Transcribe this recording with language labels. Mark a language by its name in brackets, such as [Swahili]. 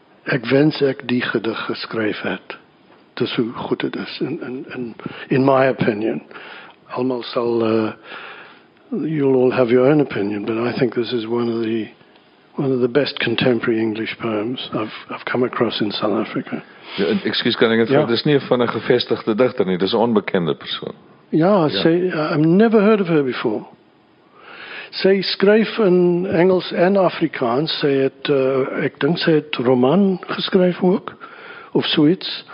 [Afrikaans] Ek wens ek die gedig geskryf het. Dis hoe goed het is, [English] in my opinion. [Afrikaans] Almal sal, [English] you'll all have your own opinion, but I think this is one of the best contemporary English poems I've come across in South Africa. [Afrikaans] Ja, excuse, kan ek het vraag, dit is nie van een gevestigde dichter nie, dit is een onbekende persoon. Ja, sy, [English] I've never heard of her before. [Afrikaans] Sy skryf in Engels en Afrikaans, sy het, ek dink sy het roman geskryf ook, of soeits.